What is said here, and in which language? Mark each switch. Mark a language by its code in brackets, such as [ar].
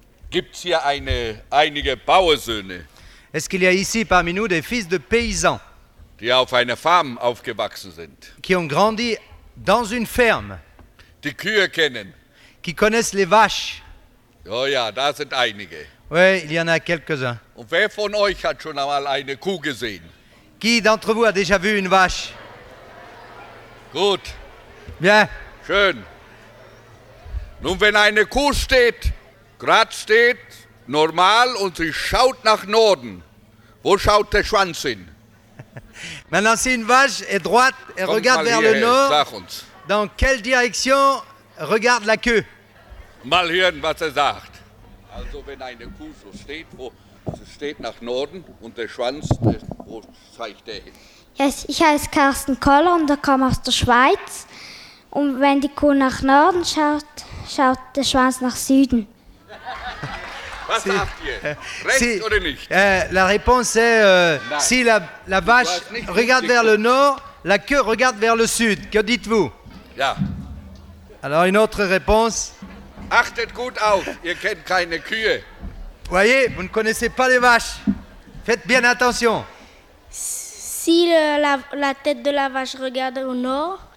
[de] gibt hier einige Bauersöhne. [fr] Est-ce qu'il y a ici parmi nous des fils de paysans? [de] Die auf einer Farm aufgewachsen sind. [fr] Qui ont grandi dans une ferme. [de] Die Kühe kennen. [fr] Qui connaissent les vaches. [de] Oh ja, da sind einige. [fr] Oui, il y en a quelques-uns. [de] Und wer von euch hat schon einmal eine Kuh gesehen? [fr] Qui d'entre vous a déjà vu une vache? [de] Gut. [fr] Bien. [de] Schön. Nun, wenn eine Kuh steht, gerade steht, normal, und sie schaut nach Norden, wo schaut der Schwanz hin? [fr] Maintenant, si une vache est droite et regarde vers le nord, dans quelle direction regarde la queue? [de] Mal hören, was sagt. Also, wenn eine Kuh so steht, wo sie steht nach Norden und der Schwanz, wo zeigt der hin? Yes, ich heiße Carsten Koller und ich komme aus der Schweiz. Und wenn die Kuh nach Norden schaut, schaut der Schwanz nach Süden. Was sagt ihr? Rechts oder nicht? [fr] La réponse est, si la vache regarde vers le nord, la queue regarde vers le sud. Que dites-vous? [de] Ja. [fr] Alors une autre réponse. [de] Achtet gut auf, ihr kennt keine Kühe. [fr] Voyez, vous ne connaissez pas les vaches. Faites bien attention. Si la tête de la vache regarde au nord,